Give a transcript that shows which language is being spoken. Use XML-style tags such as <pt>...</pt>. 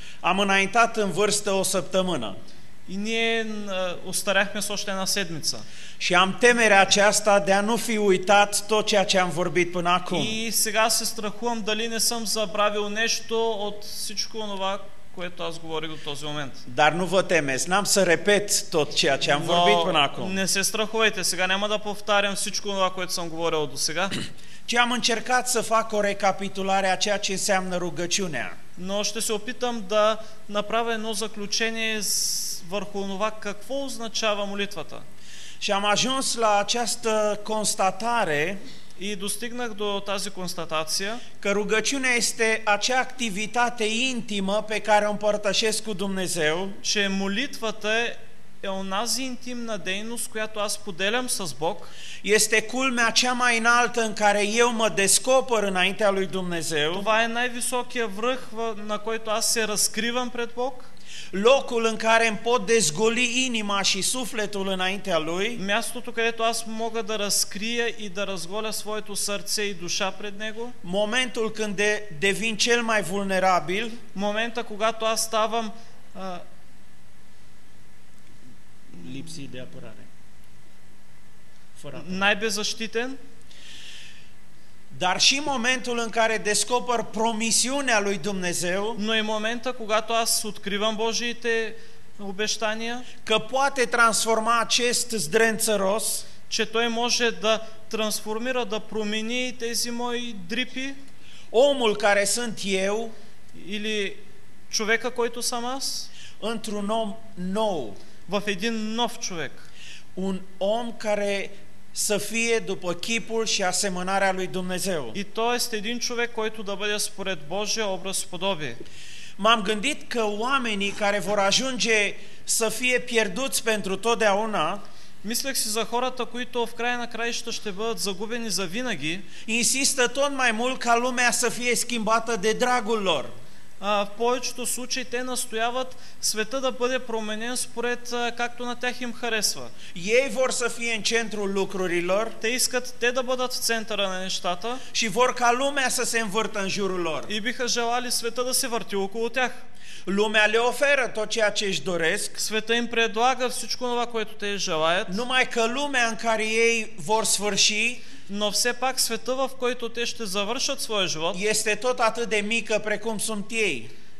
<ro>Am înaintat în vârstă o săptămână.</ro> <bg>И ние остаряхме с още една седмица.</bg> <ro>Și am temerea aceasta de a nu fi uitat tot ceea ce am vorbit până acum.</ro> <bg>И сега се страхувам дали не съм забравил нещо от всичко онова, което аз говорих до този момент.</bg> <ro>Dar nu vă temeți, n-am să repet tot ceea ce am vorbit până acum.</ro> <bg>Не се страхувайте, сега няма да повтарям всичко това, което съм говорил до сега.</bg> <ro>Ci am încercat să fac o recapitulare a ceea ce înseamnă rugăciunea.</ro> <bg>Но ще се опитам да направя едно заключение върху това какво означава молитвата.</bg> <ro>Și am ajuns la această constatare.</ro> <bg>И достигнах до тази констатация,</bg> <ro>că rugăciunea este acea activitate intimă pe care o împărtășesc cu Dumnezeu,</ro> <bg>че молитвата е онази интимна дейност, която аз поделям с Бог,</bg> <ro>este culmea cea mai înaltă în care eu mă descoper înaintea lui Dumnezeu,</ro> <bg>това е най-високия връх, на който аз се разкривам пред Бог,</bg> <ro>locul în care îmi pot dezgoli inima și sufletul înaintea lui,</ro> <bg>мястото където аз мога да разкрия и да разголя своето сърце и душа пред него,</bg> <ro>momentul când devin cel mai vulnerabil,</ro> <bg>момента когато аз ставам</bg> <ro>lipsit de apărare,</ro> <bg>най-беззащитен,</bg> <ro>dar și momentul în care descoper promisiunea lui Dumnezeu,</ro> <bg>но и момента когато аз откривам Божиите обещания,</bg> <ro>că poate transforma acest zdrențăros,</ro> <bg>че той може да трансформира, да промени тези мои дрипи,</bg> <ro>omul care sunt eu,</ro> <bg>или човека, който съм аз,</bg> <ro>într-un om nou,</ro> <bg>в един нов човек,</bg> <ro>un om care să fie după chipul și asemănarea lui Dumnezeu.</ro> <bg>И той е един човек, който да бъде според Божия образ и подобие.</bg> <ro>M-am gândit că oamenii care vor ajunge să fie pierduți pentru totdeauna,</ro> <bg>мислех си за хората, които в края на краищата ще бъдат загубени за винаги,</bg> <ro>insistă tot mai mult ca lumea să fie schimbată de dragul lor.</ro> <bg>В повечето случаи те настояват света да бъде променен според както на тях им харесва.</bg> <ro>Ei vor să fie în centrul lucrurilor,</ro> <bg>те искат те да бъдат в центъра на нещата,</bg> <ro>și vor ca lumea să se învârtă în jurul lor.</ro> <bg>И биха желали света да се върти около тях.</bg> <ro>Lumea le oferă tot ceea ce își doresc,</ro> <bg>света им предлага всичко това, което те желаят,</bg> <ro>numai că lumea în care ei vor sfârși,</ro> <bg>но все пак света, в който те ще завършат своя живот,</bg> <ro>este tot atât de mică precum sunt ei,</ro>